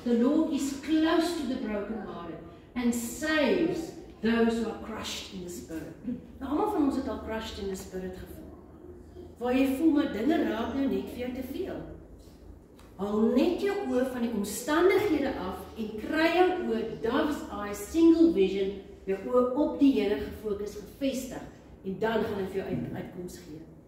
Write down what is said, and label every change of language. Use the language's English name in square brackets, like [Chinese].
[English] The Lord is close to the brokenhearted and saves those who are crushed in the spirit. [Afrikaans] Nou, allemaal van ons het al [English] crushed in the spirit [Afrikaans] gevoel. Waar jy voel, maar dinge raak nou net vir jou te veel. Haal net jou oor van die omstandighede af en kry jou oor [English] dove's eye, single vision, [Afrikaans] jou oor op die Here gefokus, gevestig, en dan gaan hy vir jou uitkoms gee.